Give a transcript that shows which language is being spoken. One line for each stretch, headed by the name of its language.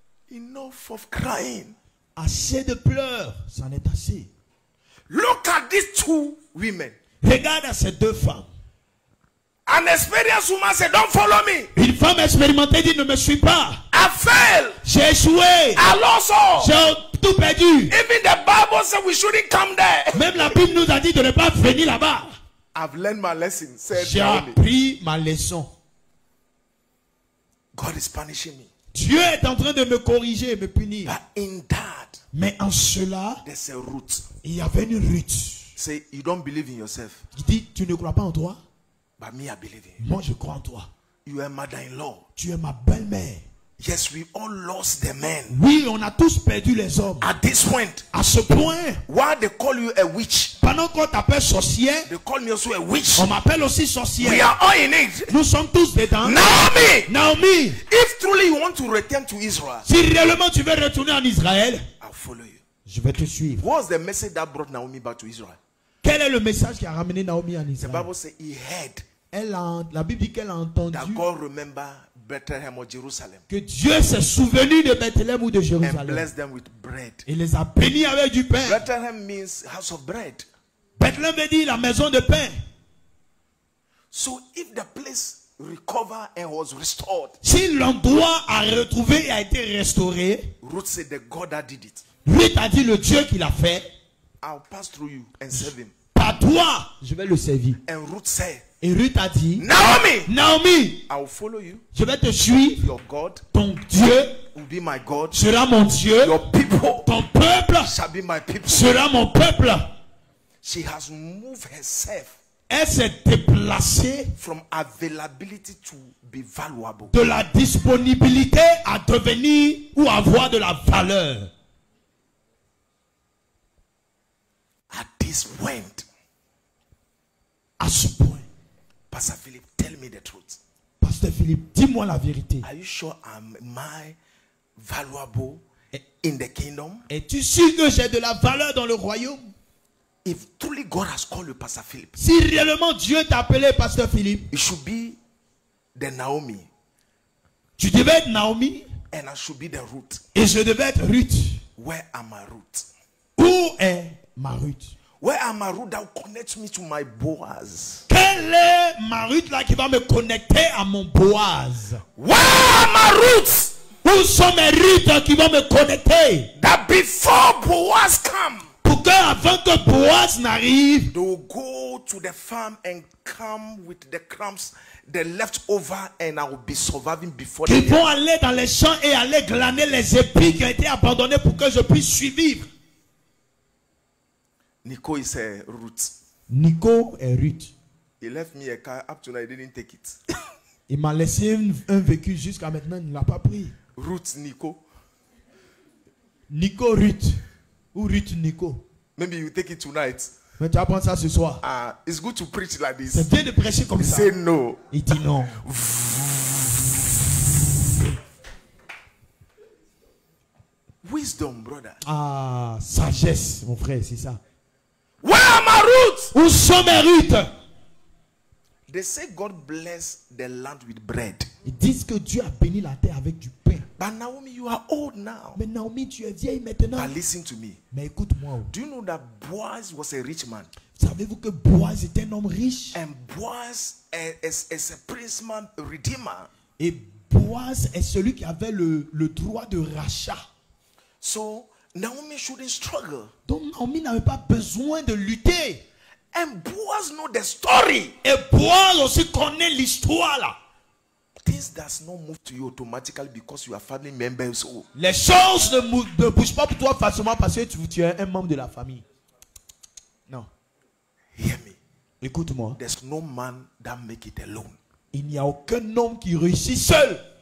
English: Enough of crying.
French: Assez de pleurs, c'en est assez.
English: Look at these two women.
French: Regarde à ces 2 femmes.
English: An experienced woman said, "Don't follow me."
French: Une femme expérimentée dit, "Ne me suis pas."
English: I fell.
French: J'ai échoué.
English: I lost all.
French: J'ai tout perdu.
English: Even the Bible said we shouldn't come there.
French: Même la Bible nous a dit de ne pas venir là-bas.
English: I've learned my lesson. Said
French: J'ai
English: Naomi.
French: Appris ma leçon.
English: God is punishing me.
French: Dieu est en train de me corriger, me punir.
English: But in that,
French: mais en cela,
English: there's a root.
French: Il y avait une route.
English: Say, you don't believe in yourself.
French: Il dit, tu ne crois pas en toi.
English: But me, I believe in you.
French: Moi, je crois en toi.
English: You are mother-in-law.
French: Tu es ma belle-mère.
English: Yes, we all lost the men.
French: Oui, on a tous perdu les hommes.
English: At this point,
French: à ce point,
English: why they call you a witch?
French: Pendant qu'on t'appelle sorcière,
English: they call me also a witch.
French: On m'appelle aussi sorcière.
English: We are all in it.
French: Nous sommes tous dedans.
English: Naomi,
French: Naomi.
English: If truly you want to return to Israel,
French: si réellement tu veux retourner en Israël,
English: I'll follow you.
French: Je vais te suivre.
English: What was the message that brought Naomi back to Israel?
French: Quel est le message qui a ramené Naomi en Israël?
English: The Bible says he heard.
French: La Bible dit qu'elle a entendu.
English: That God remember Bethlehem or Jerusalem.
French: Que Dieu s'est souvenu de Bethléem ou de Jérusalem. Et les a bénis avec du pain.
English: Bethlehem means house of bread.
French: Bethléem veut dire la maison de pain.
English: So if the place recover and was restored.
French: Si l'endroit a retrouvé et a été restauré.
English: Ruth said the God that did it.
French: Ruth a dit le Dieu qui l'a fait.
English: I'll pass through you and serve him.
French: Par toi, je vais le servir.
English: And Ruth said.
French: Et Ruth a dit,
English: Naomi,
French: Naomi,
English: I will follow you.
French: Je vais te suivre.
English: Your God,
French: ton Dieu,
English: will be my God,
French: sera mon Dieu.
English: Your people, people,
French: ton peuple
English: shall be my people.
French: Sera mon peuple.
English: She has moved herself.
French: Elle s'est déplacée
English: from availability to be valuable.
French: De la disponibilité à devenir ou avoir de la valeur.
English: At this point.
French: À ce point.
English: Pastor Philippe, tell me the truth.
French: Pastor Philippe, dis-moi la vérité.
English: Are you sure am I valuable in the kingdom?
French: Es-tu sûr que j'ai de la valeur dans le royaume?
English: If truly God has called you Pastor Philippe,
French: si réellement Dieu t'a appelé Pasteur Philippe,
English: you should be the Naomi.
French: Tu devais être Naomi.
English: And I should be the Ruth.
French: Et je devais être Ruth.
English: Where am I Ruth?
French: Où est ma Ruth?
English: Where am I Ruth that connects me to my Boaz?
French: Quelle est ma Ruth là qui va me connecter à mon Boaz?
English: Where am I Ruth?
French: Où sont mes Ruths qui vont me connecter?
English: That before Boaz come.
French: Avant que Boaz n'arrive,
English: they will go to the farm and come with the crumbs, the leftover, and I will be surviving before.
French: Ils vont aller dans les champs et aller glaner les épis qui ont été abandonnés pour que je puisse survivre.
English: Nico is a root.
French: Nico est root.
English: He left me a car up to now. He didn't take it.
French: Il m'a laissé un véhicule jusqu'à maintenant. Il ne l'a pas pris.
English: Root Nico.
French: Nico root. Ou Ruth Nico.
English: Maybe you take it tonight.
French: Mais tu apprends ça ce soir.
English: It's good to preach like this.
French: C'est bien de prêcher comme
English: you
French: ça.
English: Say no.
French: Il dit non.
English: Wisdom, brother.
French: Ah, sagesse, mon frère, c'est ça.
English: Where are my roots?
French: Où sont mes roots?
English: They say God bless the land with bread.
French: Ils disent que Dieu a béni la terre avec du pain.
English: But Naomi, you are old now.
French: Mais Naomi, tu es vieille maintenant.
English: But listen to me.
French: Mais écoute-moi.
English: Do you know that Boaz was a rich man?
French: Savez-vous que Boaz était un homme riche?
English: And Boaz is a prince man, a redeemer.
French: Et Boaz est celui qui avait le droit de rachat.
English: So Naomi shouldn't struggle.
French: Donc Naomi n'avait pas besoin de lutter.
English: And Boaz know the story.
French: Et Boaz aussi connaît l'histoire là.
English: This does not move to you automatically because you are family members. So.
French: Les choses ne bougent pas pour toi facilement parce que tu es un membre de la famille. Non.
English: Hear me.
French: Écoute-moi.
English: There's no man that make it alone.
French: Il n'y a aucun homme qui réussit seul.